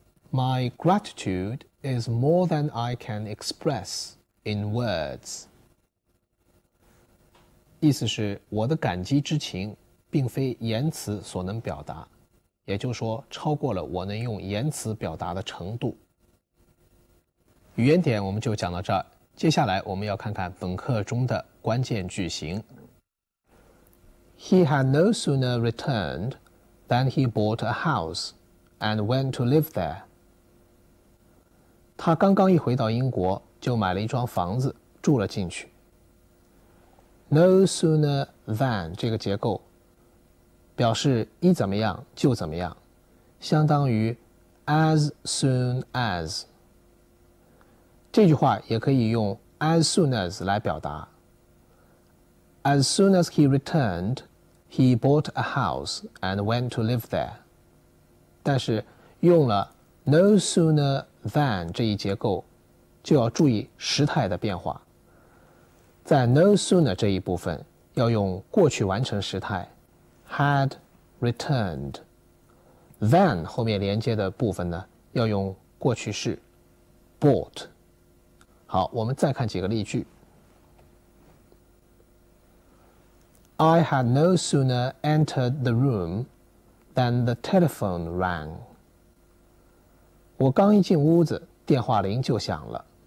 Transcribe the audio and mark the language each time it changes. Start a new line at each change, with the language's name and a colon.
English: My gratitude is more than I can express in words.
Chinese: 意思是我的感激之情并非言辞所能表达，也就是说超过了我能用言辞表达的程度。语言点我们就讲到这儿，接下来我们要看看本课中的关键句型。
English: He had no sooner returned than he bought a house and went to live there.
Chinese: 他刚刚一回到英国就买了一幢房子住了进去。
English: No sooner than
Chinese: 这个结构表示一怎么样就怎么样，相当于
English: as soon as。
Chinese: 这句话也可以用 as soon as 来表达。
English: As soon as he returned, he bought a house and went to live there.
Chinese: 但是用了 no sooner than 这一结构就要注意时态的变化。在 no sooner 这一部分要用过去完成时态 had returned， than 后面连接的部分呢要用过去式 bought。好，我们再看几个例句。
English: I had no sooner entered the room than the telephone rang。
Chinese: 我刚一进屋子电话铃就响了。